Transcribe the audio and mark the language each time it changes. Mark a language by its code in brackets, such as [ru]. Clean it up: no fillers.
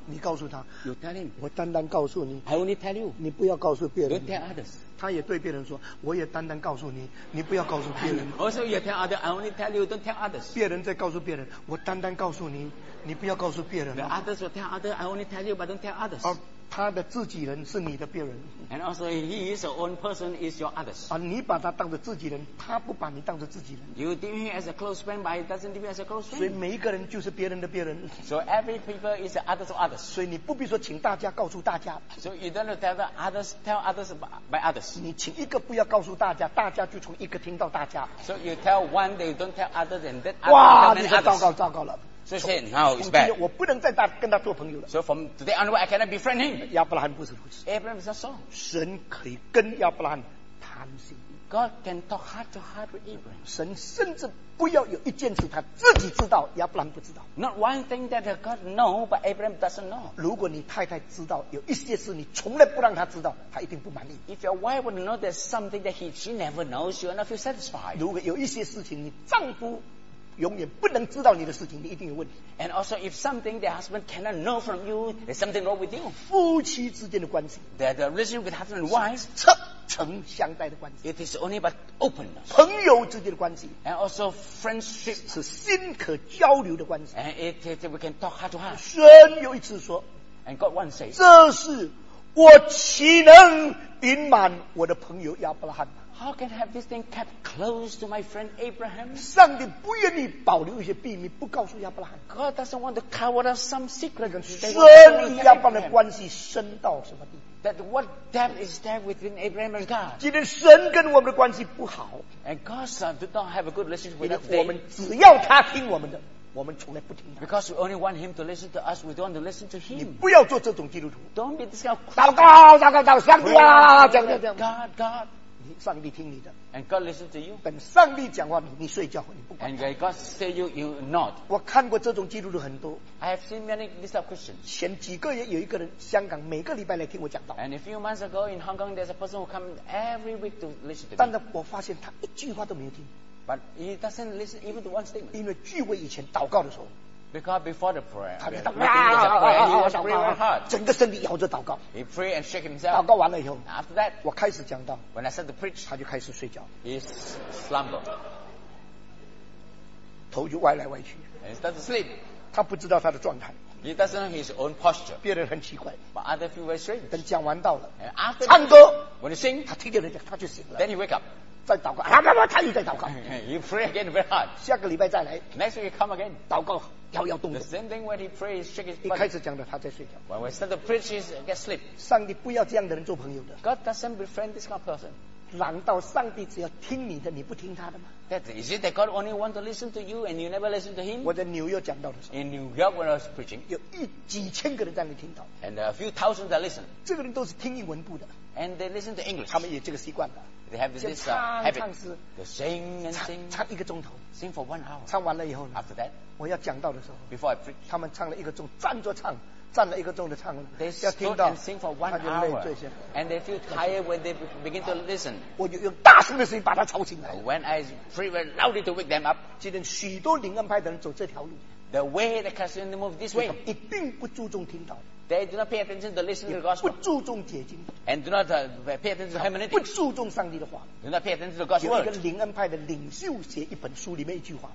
[zh] 你告诉他 [en] You tell him [zh] 我单单告诉你 [en] I only tell you [zh] 你不要告诉别人 [en] You tell others [zh] 他也对别人说我也单单告诉你你不要告诉别人 [en] Also you tell others I only tell you don't tell others [zh] 别人再告诉别人我单单告诉你你不要告诉别人 [en] The others will tell others I only tell you but don't tell others [zh] 而他的自己人是你的别人 [en] And also he is your own person is your others [zh] 而你把他当作自己人他不把你当作自己人 [en] You deem him as a close friend but he doesn't deem him as a close friend [zh] 所以每一个人就是别人的别人 [en] So every people is the others of others [zh] 所以你不必说请大家告诉大家 [en] So you don't tell the others tell others by others [zh] 你请一个不要告诉大家大家就从一个听到大家 [en] So you tell one they don't tell others and that others [zh] 哇你说糟糕糟糕了 [en] So say, now it's bad. [zh] 我不能再跟他做朋友了。 [en] So from today onward, I cannot befriend him. [zh] 亚伯拉罕不是如此。 [en] Abraham is not so. [zh] 神可以跟亚伯拉罕谈心。 [en] God can talk heart to heart with Abraham. [zh] 神甚至不要有一件事他自己知道，亚伯拉罕不知道。 [en] Not one thing that God knows, but Abraham doesn't know. [zh] 如果你太太知道有一些事你从来不让他知道，他一定不满意。 [en] If your wife would know there's something that she never knows, you will not feel satisfied. [zh] 如果有一些事情你丈夫永远不能知道你的事情，你一定有问题。 [en] And also, if something the husband cannot know from you, there's something wrong with you. [zh] 夫妻之间的关系 [en] ，that the relation with husband and wife [zh] 是赤诚相待的关系。 [en] It is only about openness. [zh] 朋友之间的关系 [en] ，and also friendship [zh] 是心可交流的关系。 [en] And it we can talk heart to heart. [zh] 神有一次说 [en] ，and God once said, [zh] 这是我岂能隐瞒我的朋友亚伯拉罕？ [en] How can I have this thing kept close to my friend Abraham? [zh] 上帝不愿意保留一些秘密，不告诉亚伯拉罕。 [en] God doesn't want to cover up some secret. [zh] 神与亚伯的关系深到什么地 [en] ？That what depth is there between Abraham and God? [zh] 今天神跟我们的关系不好 [en] ，and God does not have a good relationship with us. [zh] 我们只要他听我们的。我们从来不听他。 [en] Because we only want him to listen to us, we don't want to listen to him. [zh] 你不要做这种基督徒。 [en] Don't be this kind of. [zh] 祷告，祷告，祷告，上帝啊，这样这样。 [en] God, God. [zh] 上帝听你的。 [en] And God listens to you. [zh] 等上帝讲话，你睡觉，你不管。 [en] And God say you, you not. [zh] 我看过这种基督徒很多。 [en] I have seen many this type of Christians. [zh] 前几个月有一个人，香港每个礼拜来听我讲道。 [en] And a few months ago in Hong Kong, there's a person who comes every week to listen to me. [zh] 但是我发现他一句话都没有听。 [en] But he doesn't listen even to one statement. [zh] 因为聚会以前祷告的时候。 [en] Because before the prayer, [zh] 他在祷告，整个身体摇着祷告。 [en] He pray and shake himself. [zh] 祷告完了以后 [en] ，After that, [zh] 我开始讲道。 [en] When I start to preach, [zh] 他就开始睡觉。 [en] He slumber, [zh] 头就歪来歪去。 [en] He start to sleep. [zh] 他不知道他的状态。 [en] He doesn't know his own posture. [zh] 别人很奇怪。 [en] But other people are strange. [zh] 等讲完道了 [en] ，And after [zh] 唱歌 [en] ，When he sing, [zh] 他听见人家，他就醒了。 [en] Then he wake up. [zh] 在祷告，他他又在祷告。 [en] You pray again very hard. [zh] 下个礼拜再来。 [en] Next week come again. [zh] 祷告摇摇动动。 [en] The same thing when he prays, shake his body. [zh] 一开始讲的他在睡觉。 [en] When we start to preach, he gets sleep. [zh] 上帝不要这样的人做朋友的。 [en] God doesn't befriend this kind of person. [zh] 难道上帝只要听你的，你不听他的吗 [en] ？That is it that God only want to listen to you and you never listen to him? [zh] 我在纽约讲到的时候。 [en] In New York when I was preaching, [zh] 有一几千个人在那里听到。 [en] And a few thousands are listening. [zh] 这个人都是听英文部的。 [en] And they listen to English. [zh] 他们也这个习惯了。 [en] They have this habit. They sing and sing. [zh] 唱一个钟头。 [en] Sing for 1 hour. [zh] 唱完了以后呢 [en] ？After that, [zh] 我要讲到的时候 [en] ，Before I preach, [zh] 他们唱了一个钟，站着唱，站了一个钟的唱。 [en] They stood and sing for 1 hour. [zh] 他就累这些。 [en] And they feel tired when they begin to listen. [zh] 我就用大声的声音把他吵醒来。 [en] When I pray loudly to wake them up. [zh] 今天许多灵恩派的人走这条路。 [en] The way the Christians move this way. [zh] 一定不注重听到。 [en] They do not pay attention to listening to the gospel. [zh] 不注重解经。 [en] And do not pay attention to hermeneutics. [zh] 不注重上帝的话。 [en] Do not pay attention to God's word. [zh] 有一个灵恩派的领袖写一本书里面一句话。